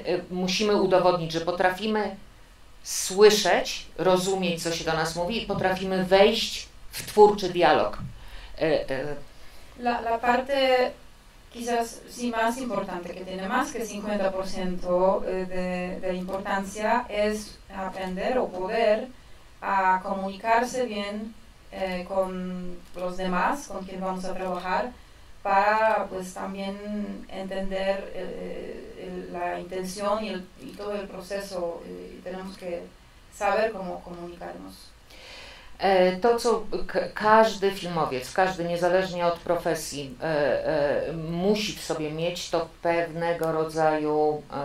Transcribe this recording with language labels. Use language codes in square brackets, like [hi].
[pl] Musimy udowodnić, że potrafimy słyszeć, rozumieć, co się do nas mówi, i potrafimy wejść w twórczy dialog. [es] La parte quizás sí más importante, que tiene más que 50% de importancia, es aprender o poder a comunicarse bien con los demás, con quien vamos a trabajar, para pues también entender la intención y todo el proceso, y tenemos que saber cómo comunicarnos. [pl] To, co każdy filmowiec, każdy niezależnie od profesji musi w sobie mieć, to pewnego rodzaju,